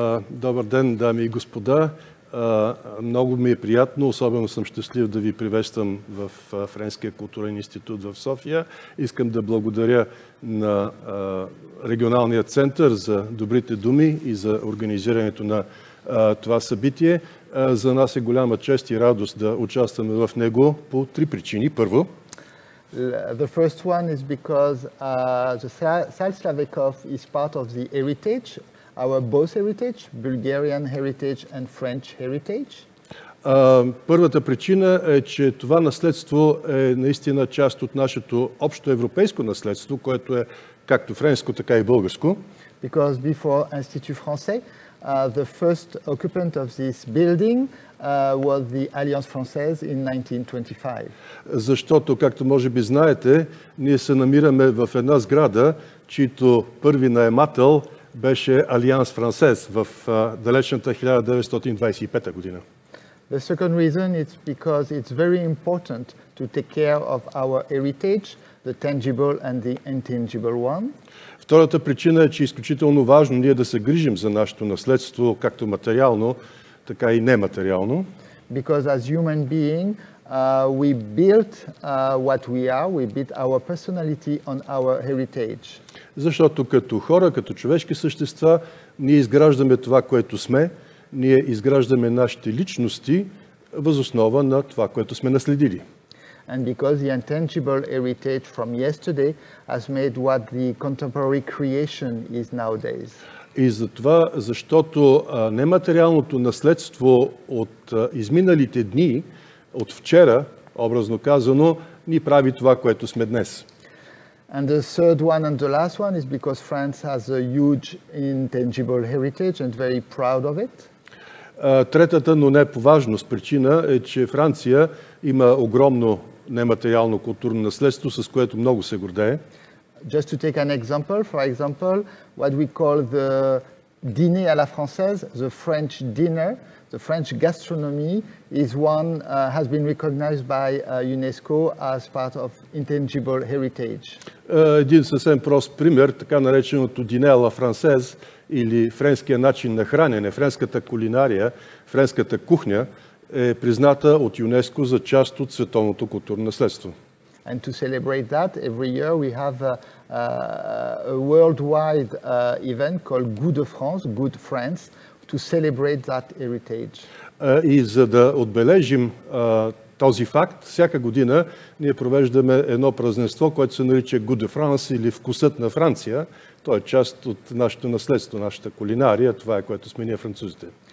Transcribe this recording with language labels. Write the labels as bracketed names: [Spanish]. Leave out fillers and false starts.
[Bulgarian] Добър ден, дами и господа. Много ми е приятно, особено съм щастлив да ви приветствам в Френския културен институт в София. Искам да благодаря на регионалния център за добрите думи и за организирането на това събитие. За нас е голяма чест и радост да участваме в него по три причини. Първо. [English] The first one is because the Salle Slavikov is part of the heritage. Our both heritage, Bulgarian heritage and French heritage. [Bulgarian] Първата причина е, че това наследство е наистина част от нашето общо европейско наследство, което е както френско, така и българско. [English] Because before Institut Français, the first occupant of this building was the Alliance Française in 1925. [Bulgarian] Защото, както може би знаете, ние се намираме в една сграда, чието първи наемател беше Алианс Франсез в далечната 1925 година. [English] The second reason is because it's very important to take care of our heritage, the tangible and the intangible one. [Bulgarian] Втората причина е, че е изключително важно ние да се грижим за нашето наследство, както материално, така и нематериално. [English] Because as human being, we built what we are, we built our personality on our heritage. [Bulgarian] Защото като хора, като човешки същества, ние изграждаме това, което сме, ние изграждаме нашите личности въз основа на това, което сме наследили. [English] And because the intangible heritage from yesterday has made what the contemporary creation is nowadays. [Bulgarian] И затова, защото нематериалното наследство от изминалите дни, от вчера, образно казано, ни прави това, което сме днес. [English] And the third one and the last one is because France has a huge intangible heritage and very proud of it. [Bulgarian] Третата, но не по важност причина е, че Франция има огромно нематериално културно наследство, с което много се гордее. [English] Just to take an example, for example, what we call the [French] dîner à la française, [English] the French dinner, the French gastronomy is one has been recognized by UNESCO as part of intangible heritage. [Bulgarian] Един съвсем прост пример, така нареченото [French] dîner à la française [Bulgarian] или френския начин на хранене, френската кулинария, френската кухня е призната от ЮНЕСКО за част от световното културно наследство. [English] And to celebrate that, every year we have a worldwide event called Goût de France, Good France, to celebrate that heritage. [Bulgarian] И за да отбележим този факт, всяка година ние провеждаме едно празненство, което се нарича Goût de France или Вкусът на Франция. То е част от нашето наследство, нашата кулинария, това е което сме ние французите.